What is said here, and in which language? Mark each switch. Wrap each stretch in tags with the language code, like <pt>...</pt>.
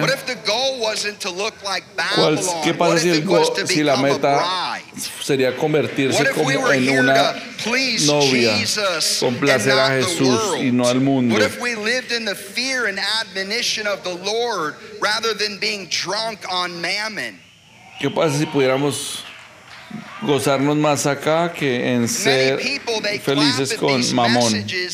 <en>What if the goal wasn't to look like Babylon?</en> <es>¿Qué pasa si la meta sería convertirse como en una novia, complacer a Jesús y no al mundo?</es> <en>What if we lived in the fear and admonition of the Lord rather than being drunk on mammon?</en> <es>¿Qué pasa si pudiéramos gozarnos más acá que en ser felices con mamón?</es>